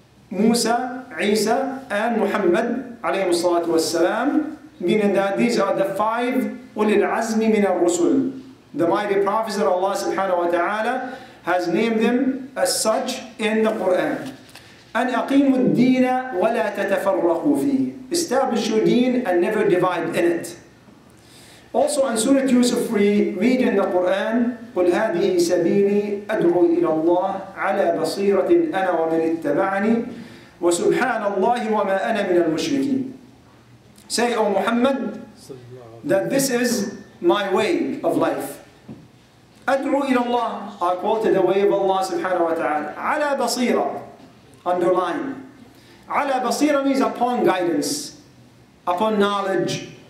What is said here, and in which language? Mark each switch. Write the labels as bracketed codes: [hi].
[en] Musa, Isa, and Muhammad, alayhi salatu wassalam, meaning that these are the five ulil azmi min al-rusul, the mighty prophets that Allah subhanahu wa ta'ala has named them as such in the Quran. [ar] أن أقيموا الدين ولا تتفرقوا فيه. [en] Establish your deen and never divide in it. Also in Surah Yusuf we read in the Quran, [ar] قل هذه سبيلي أدعو إلى الله على بصيرة أنا ومن اتبعني وسبحان الله وما أنا من المشركين. [en] Say, O Muhammad, that this is my way of life. [ar] أدعو إلى الله. [en] I call to the way of Allah subhanahu wa ta'ala. [ar] على بصيرة. [en] Underline. Ala basira means upon guidance, upon knowledge.